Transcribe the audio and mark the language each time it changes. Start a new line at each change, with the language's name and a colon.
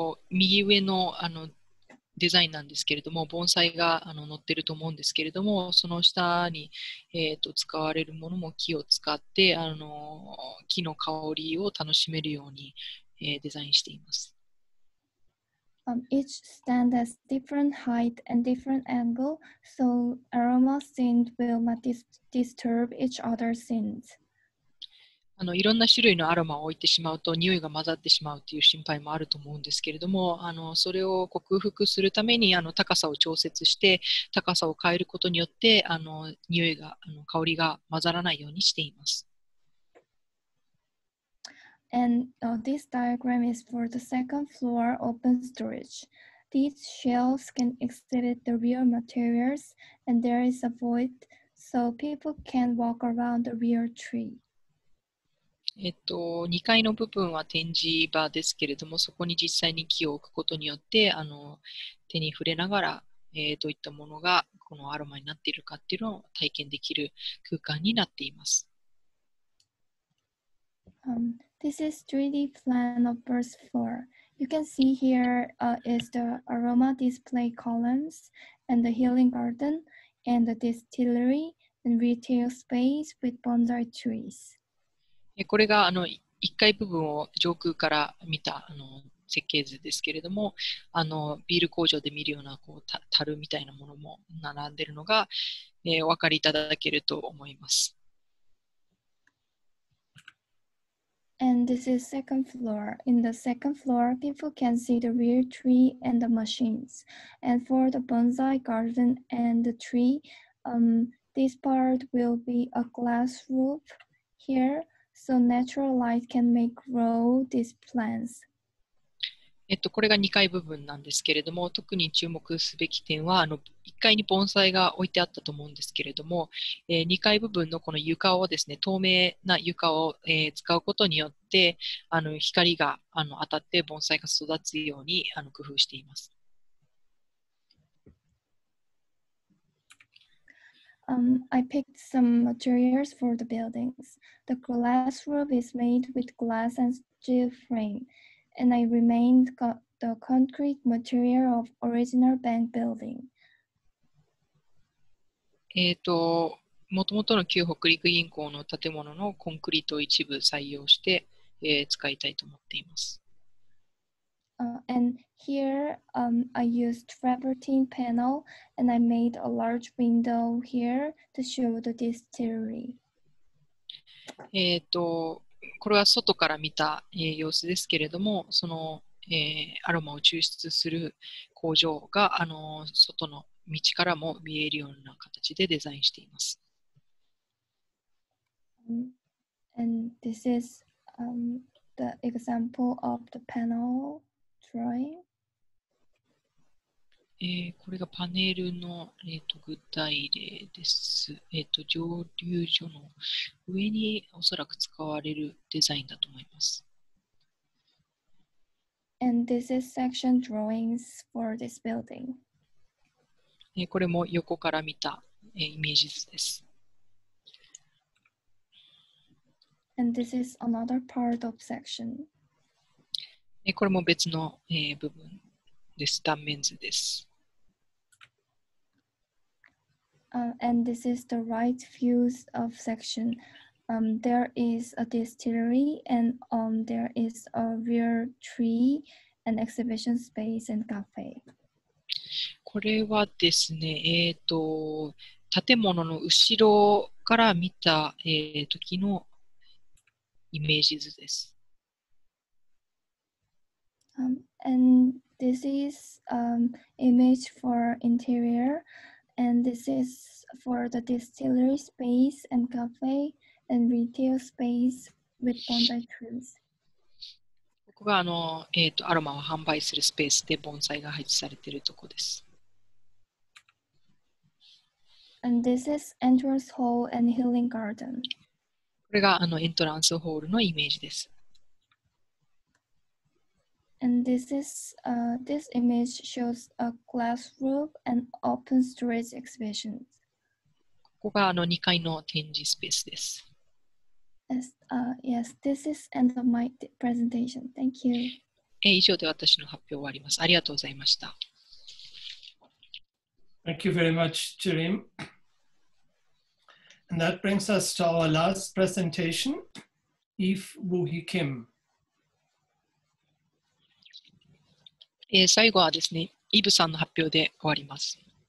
Japanese: 右上の、デザインなんですけれども、盆栽が載ってると思うんですけれども、その下に、使われるものも木を使って、木の香りを楽しめるように、デザインしています。
English: Each stand has different height and different angle, so aroma scent will not disturb each other's scents.
Japanese: いろんな種類のアロマを置いてしまうと匂いが混ざってしまうという心配もあると思うんですけれども、それを克服するために高さを調節して高さを変えることによって匂いが香りが混ざらないようにしています。
English: And this diagram is for the second floor open storage. These shelves can exhibit the real materials, and there is a void so people can walk around the real tree.
Japanese: 2階の部分は展示場ですけれども、そこに実際に木を置くことによって、手に触れながら、どういったものがこのアロマになっているかっていうのを体験できる空間になっています。
English: This is 3D plan of first floor. You can see here is the aroma display columns and the healing garden and the distillery and retail space with bonsai trees.
Japanese: これが1階部分を上空から見た設計図ですけれども、ビール工場で見るようなこう樽みたいなものも並んでいるのが、お分かりいただけると思います。
English: And this is second floor. In the second floor, people can see the real tree and the machines. And for the bonsai garden and the tree, this part will be a glass roof here, so natural light can make grow these plants.
Japanese: これが2階部分なんですけれども、特に注目すべき点は、1階に盆栽が置いてあったと思うんですけれども、2階部分のこの床をですね、透明な床を、使うことによって、光が当たって盆栽が育つように工夫しています。
English: I picked some materials for the buildings. The glass roof is made with glass and steel frame. And I remained the concrete material of original bank building.
Japanese: もともとの旧北陸銀行の建物のコンクリートを一部採用して、使いたいと思っています。
English: And here, I used travertine panel and I made a large window here to show the distillery.
Japanese: これは外から見た、様子ですけれども、その、アロマを抽出する工場が外の道からも見えるような形でデザインしています。
English: And this is the example of the panel drawing.
Japanese: これがパネルの、具体例です。蒸留所の上におそらく使われるデザインだと思います。
English: And this is section drawings for this building.
Japanese: これも横から見た、イメージ図です。
English: And this is another part of section.
Japanese: これも別の、部分です。断面図です。
English: And this is the right views of section. There is a distillery and there is a real tree and exhibition space and cafe.
Japanese: これはですね、建物の後ろから見た、時のイメージ図です。
English: And this is image for interior. And this is for the distillery space and cafe and retail space with bonsai trees.
Japanese: ここがアロマを販売するスペースで盆栽が配置されているとこです。
English: And this is entrance hall and healing garden.
Japanese: これがエントランスホールのイメージです。
English: And this is this image shows a classroom and open storage exhibition.
Japanese: ここがあの2階の展示スペースです。
English: Yes, yes, this is end of my presentation. Thank you.
Japanese: 以上で私の発表終わります。ありがとうございました。
English: Thank you very much, Chirim. And that brings us to our last presentation, Eve Woo-hee Kim.
Japanese: 最後はですね、イブさんの発表で終わります。